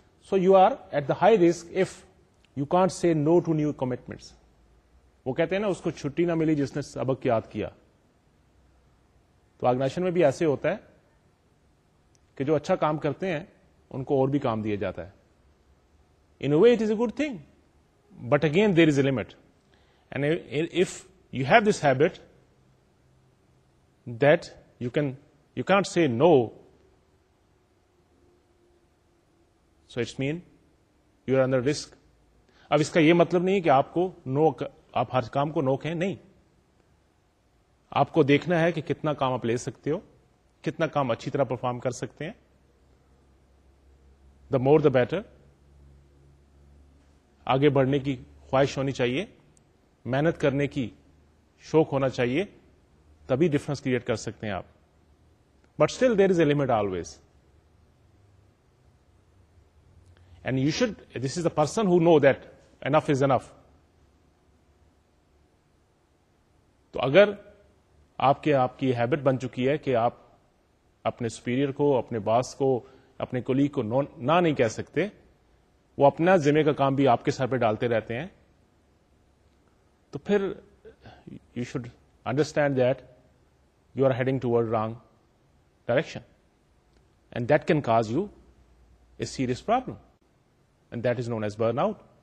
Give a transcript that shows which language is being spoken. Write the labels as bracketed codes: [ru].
[en] So you are at the high risk if you can't say no to new commitments. [ur] وہ کہتے ہیں نا, اس کو چھٹی نہ ملی جس نے سبق یاد کیا. تو آرگنائزیشن میں بھی ایسے ہوتا ہے کہ جو اچھا کام کرتے ہیں ان کو اور بھی کام دیا جاتا ہے. [en] In way it is a good thing, but again there is a limit. And if you have this habit that you can't say no, so it's mean you are under risk. [ur] اب اس کا یہ مطلب نہیں ہے کہ آپ کو نو, آپ ہر کام کو نو کہیں, نہیں. آپ کو دیکھنا ہے کہ کتنا کام آپ لے سکتے ہو, کتنا کام اچھی طرح پرفارم کر سکتے ہیں. [en] The more the better. [ur] آگے بڑھنے کی خواہش ہونی چاہیے, محنت کرنے کی شوق ہونا چاہیے, تبھی ڈفرنس کریٹ کر سکتے ہیں آپ. [en] But still there is a limit always. And you should, this is the person who know that enough is enough. [ur] تو اگر آپ کی یہ ہیبٹ بن چکی ہے کہ آپ اپنے سپیریئر کو, اپنے باس کو, اپنے کولیگ کو نہ نہیں کہہ سکتے, وہ اپنا ذمہ کا کام بھی آپ کے سر پہ ڈالتے رہتے ہیں, تو پھر [en] You should understand that you are heading toward wrong direction, and that can cause you a serious problem, and that is known as burn out.